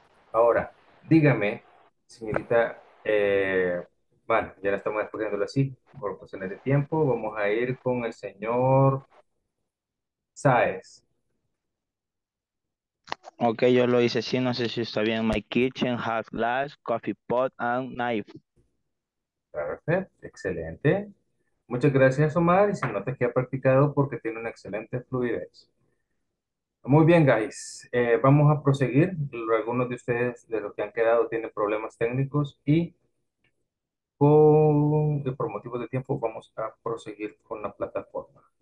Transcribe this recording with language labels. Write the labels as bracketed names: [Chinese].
[Spanish] Ahora, dígame, señorita, bueno, ya la estamos escogiéndolo así, por cuestiones de tiempo, vamos a ir con el señor Sáez. Ok, yo lo hice así, no sé si está bien. [English] My kitchen has glass, coffee pot and knife. [Spanish] Perfecto, excelente. Muchas gracias, Omar, y se nota que ha practicado porque tiene una excelente fluidez. Muy bien, guys. Vamos a proseguir. Algunos de ustedes, de los que han quedado, tienen problemas técnicos y por motivos de tiempo vamos a proseguir con la plataforma.